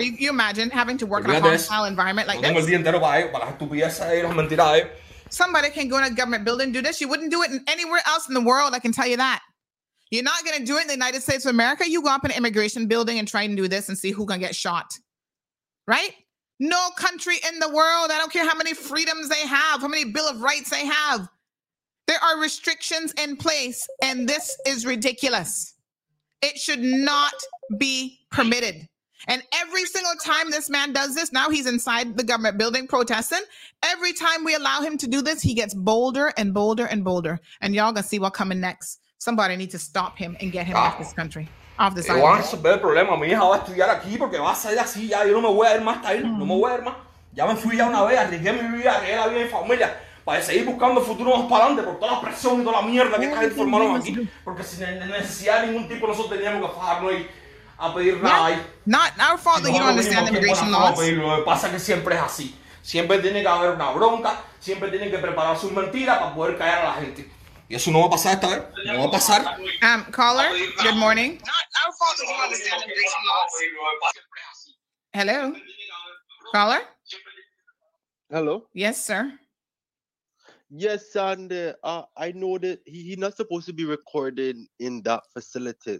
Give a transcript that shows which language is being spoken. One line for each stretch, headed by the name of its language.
English: You imagine having to work in a hostile environment like this?
Spanish: No tengo el día entero para las estupideces y las mentiras.
English: Somebody can go in a government building and do this. You wouldn't do it anywhere else in the world, I can tell you that. You're not going to do it in the United States of America. You go up in an immigration building and try and do this and see who can get shot. Right? No country in the world, I don't care how many freedoms they have, how many Bill of Rights they have, there are restrictions in place, and this is ridiculous. It should not be permitted. And every single time this man does this, now he's inside the government building protesting. Every time we allow him to do this, he gets bolder and bolder and bolder. And y'all gonna see what's coming next. Somebody needs to stop him and get him off this country. Off this island.
Spanish: Yo voy a resolver el problema. Mi hija va a estudiar aquí porque va a salir así. Ya yo no me voy a ir más hasta ahí. No me voy a ir más. Ya me fui ya una vez. Arriesgué mi vida, arriesgué la vida de mi familia. Para seguir buscando el futuro más para adelante por toda la presión y toda la mierda que está informando aquí. Porque sin necesidad de ningún tipo, nosotros teníamos que fajarnos ahí. A pedir nada ahí.
English: Not our fault that you don't understand immigration laws.
Spanish: Lo que pasa es que siempre es así. Siempre tiene que haber una bronca. Siempre tienen que preparar sus mentiras para poder callar a la gente. Y eso no va a pasar esta vez. No va a pasar.
English: Caller, good morning. Not our fault that you don't understand immigration laws. Hello? Caller? Hello? Yes, sir. Yes, and I know that he's not supposed to be recording in that facility.